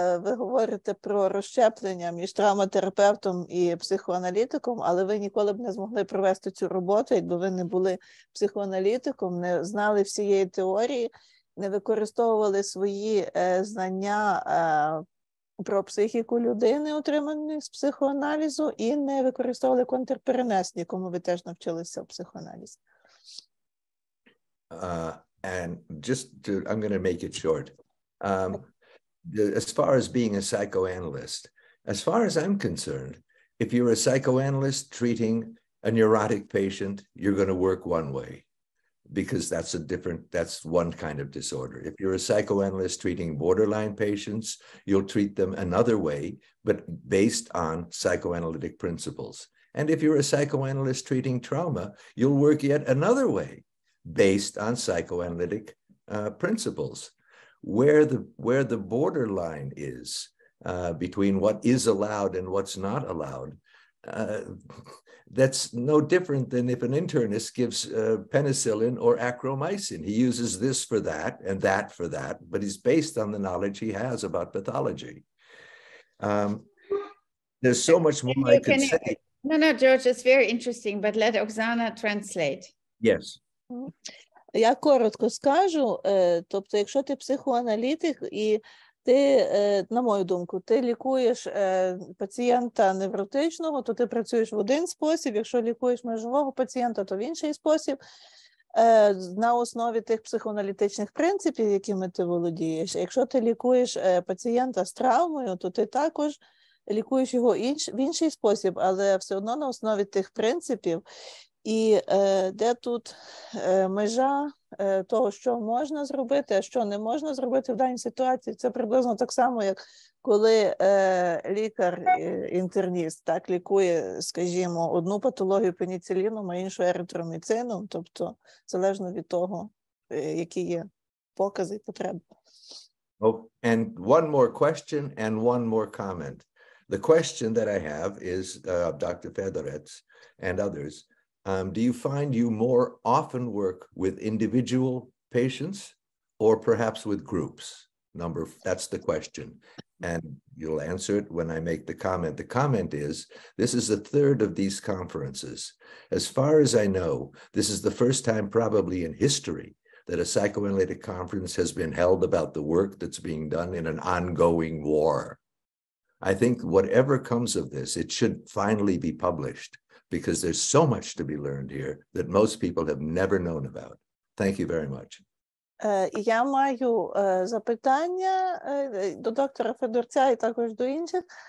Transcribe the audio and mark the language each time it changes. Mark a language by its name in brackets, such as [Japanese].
[Ukrainian] ви говорите про розщеплення між травматерапевтом і психоаналітиком, але ви ніколи б не змогли провести цю роботу, якби ви не були психоаналітиком, не знали всієї теорії, не використовували свої знання про психіку людини, отримані з психоаналізу, і не використовували контрперенесні, кому ви теж навчилися у психоаналізі. [English] And just to, I'm going to make it short. As far as being a psychoanalyst, as far as I'm concerned, if you're a psychoanalyst treating a neurotic patient, you're going to work one way. Because that's a different, that's one kind of disorder. If you're a psychoanalyst treating borderline patients, you'll treat them another way, but based on psychoanalytic principles. And if you're a psychoanalyst treating trauma, you'll work yet another way based on psychoanalytic principles. Where the borderline is between what is allowed and what's not allowed, that's no different than if an internist gives penicillin or acromycin. He uses this for that and that for that, but he's based on the knowledge he has about pathology. There's so much more I could say. No, no, George, it's very interesting, but let Oksana translate. Yes. [Ukrainian] Я коротко скажу, тобто якщо ти психоаналітик і ти, на мою думку, ти лікуєш пацієнта невротичного, то ти працюєш в один спосіб, якщо лікуєш межового пацієнта, то в інший спосіб, на основі тих психоаналітичних принципів, якими ти володієш. Якщо ти лікуєш пацієнта з травмою, то ти також лікуєш його в інший спосіб, але все одно на основі тих принципів. І де тут межа того, що можна зробити, а що не можна зробити в даній ситуації, це приблизно так само, як коли лікар-інтерніст так лікує, скажімо, одну патологію пеніциліном, а іншу еритроміцином, тобто залежно від того, які є покази і потреби. [English] Oh, and one more question and one more comment. The question that I have is Dr. Fedorets and others. Do you find you more often work with individual patients or perhaps with groups? That's the question. And you'll answer it when I make the comment. The comment is, this is the third of these conferences. As far as I know, this is the first time probably in history that a psychoanalytic conference has been held about the work that's being done in an ongoing war. I think whatever comes of this, it should finally be published. Because there's so much to be learned here that most people have never known about. Thank you very much. [Ukrainian] Я маю запитання до доктора Федорця і також до інших.